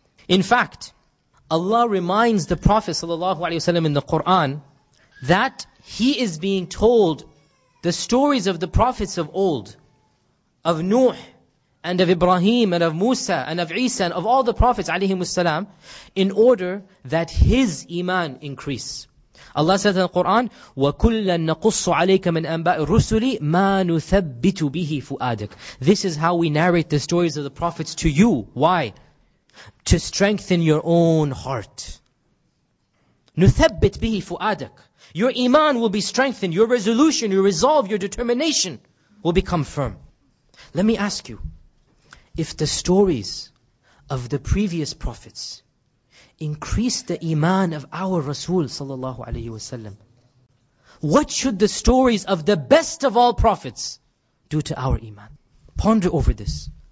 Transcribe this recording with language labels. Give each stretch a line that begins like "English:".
English: In fact, Allah reminds the Prophet sallallahu alaihi wasallam in the Quran that he is being told the stories of the prophets of old, of Nuh, and of Ibrahim, and of Musa, and of Isa, and of all the prophets, alayhim as-salam, in order that his iman increase. Allah says in the Quran,
Arabic: وَكُلَّا نَقُصُّ عَلَيْكَ مِنْ أَنْبَاءِ الرُّسُلِ مَا نُثَبِّتُ بِهِ فُؤَادَكَ.
English: This is how we narrate the stories of the prophets to you. Why? To strengthen your own heart.
Arabic: نُثَبِّتْ بِهِ فُؤَادَكَ.
English: Your iman will be strengthened, your resolution, your resolve, your determination will become firm. Let me ask you, if the stories of the previous prophets increased the iman of our Rasul sallallahu alaihi wasallam, what should the stories of the best of all prophets do to our iman? Ponder over this.